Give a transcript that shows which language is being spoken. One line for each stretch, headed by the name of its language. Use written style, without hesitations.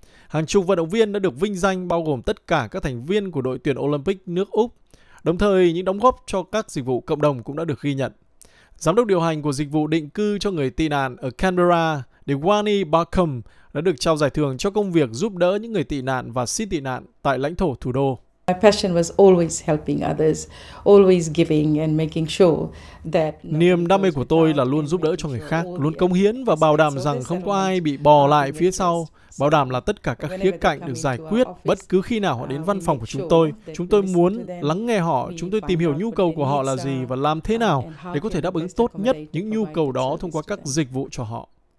Vietnamese: hàng chục vận động viên đã được vinh danh, bao gồm tất cả các thành viên của đội tuyển Olympic nước Úc. Đồng thời, những đóng góp cho các dịch vụ cộng đồng cũng đã được ghi nhận. Giám đốc điều hành của dịch vụ định cư cho người tị nạn ở Canberra, Dewani Barkham, đã được trao giải thưởng cho công việc giúp đỡ những người tị nạn và xin tị nạn tại lãnh thổ thủ đô.
English: My passion was always helping others, always giving and making sure that.
Vietnamese: Niềm đam mê của tôi là luôn giúp đỡ cho người khác, luôn cống hiến và bảo đảm rằng không có ai bị bỏ lại phía sau. Bảo đảm là tất cả các khía cạnh được giải quyết. Bất cứ khi nào họ đến văn phòng của chúng tôi muốn lắng nghe họ, chúng tôi tìm hiểu nhu cầu của họ là gì và làm thế nào để có thể đáp ứng tốt nhất những nhu cầu đó thông qua các dịch vụ cho họ.